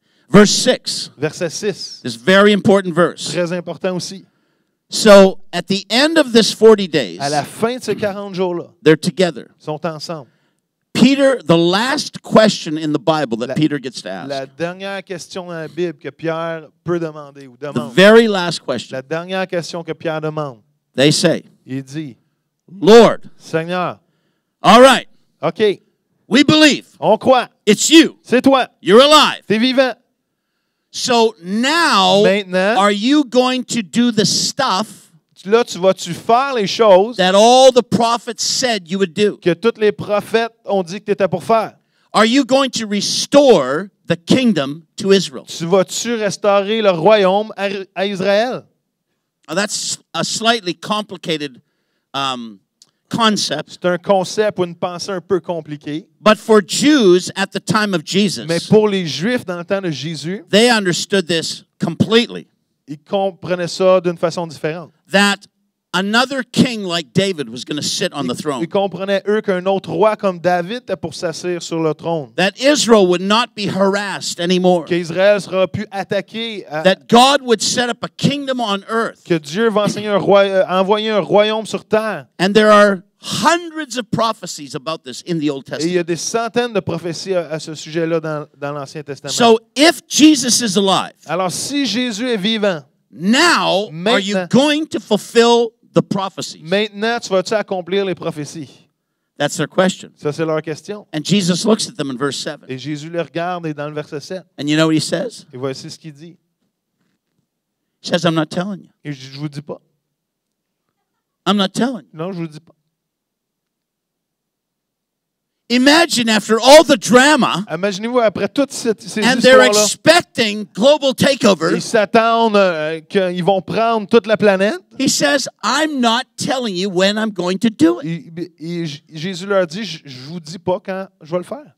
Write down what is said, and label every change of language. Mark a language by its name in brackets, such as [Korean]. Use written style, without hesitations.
[English] Verse 6. [French] Verset 6. [English] This very important verse. [French] Très important aussi. [English] So, at the end of this 40 days, [French] à la fin de ces 40 jours-là, [English] they're together. [French] Sont ensemble. [English] Peter, the last question in the Bible that Peter gets to ask. [French] La dernière question dans la Bible que Pierre peut demander ou demande. [English] The very last question. [French] La dernière question que Pierre demande. [English] They say. [French] Il dit. [English] Lord. [French] Seigneur. [English] All right. [French] Okay. [English] We believe. [French] On croit. [English] It's you. [French] C'est toi. [English] You're alive. [French] T'es vivant. [English] So now, [French] maintenant, [English] are you going to do the stuff? [French] Là, tu vas-tu faire les choses [English] that all the prophets said you would do. [French] Que tous les prophètes ont dit que tu étais pour faire. [English] Are you going to restore the kingdom to Israel? [French] Tu vas-tu restaurer le royaume à Israël? [English] Now that's a slightly complicated concept. [French] C'est un concept ou une pensée un peu compliquée. [English] But for Jews at the time of Jesus, [French] mais pour les Juifs dans le temps de Jésus, [English] they understood this completely. [French] Ils comprenaient ça d'une façon différente. [English] That another king like David was going to sit on the throne. [French] Ils comprenaient eux qu'un autre roi comme David était pour s'asseoir sur le trône. [English] That Israel would not be harassed anymore. [French] Qu'Israël sera plus attaqué. [English] That God would set up a kingdom on earth. [French] Que Dieu va envoyer un royaume sur terre. [English] And there are hundreds of prophecies about this in the Old Testament. [French] Il y a des centaines de prophéties à ce sujet-là dans l'Ancien Testament. [English] So if Jesus is alive. [French] Alors si Jésus est vivant. [English] Now, [French] maintenant, [English] are you going to fulfill the prophecies? [French] Maintenant, tu vas-tu accomplir les prophéties? [English] That's their question. [French] Ça, c'est leur question. [English] And Jesus looks at them in verse 7. [French] Et Jésus les regarde et dans le verset 7. [English] And you know what he says? [French] Et voici ce qu'il dit. [English] He says, I'm not telling you. [French] Et je vous dis pas. [English] I'm not telling you. [French] Non, je vous dis pas. [English] Imagine after all the drama. [French] Imaginez-vous après toutes ces histoires-là. [English] And they're expecting global takeover. [French] Ils s'attendent qu'ils vont prendre toute la planète. [English] He says, "I'm not telling you when I'm going to do it." [French] Jésus leur dit, je vous dis pas quand je vais le faire.